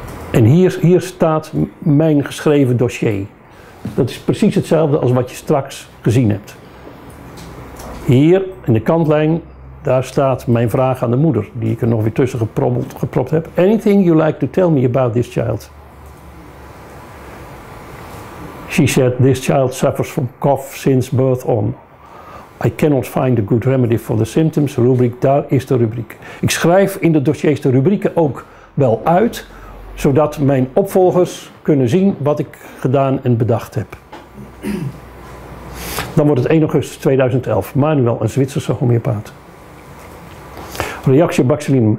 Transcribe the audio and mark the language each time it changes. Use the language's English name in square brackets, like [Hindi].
[Dutch] En hier staat mijn geschreven dossier. Dat is precies hetzelfde als wat je straks gezien hebt. Hier in de kantlijn, daar staat mijn vraag aan de moeder, die ik er nog weer tussen gepropt heb. [English] Anything you like to tell me about this child? She said, "This child suffers from cough since birth on. I cannot find a good remedy for the symptoms." [Dutch] Rubriek, daar is de rubriek. Ik schrijf in de dossiers de rubrieken ook wel uit, zodat mijn opvolgers kunnen zien wat ik gedaan en bedacht heb. Dan wordt het 1 augustus 2011. Manuel, een Zwitserse homeopaat. Reactie op Baxilinum.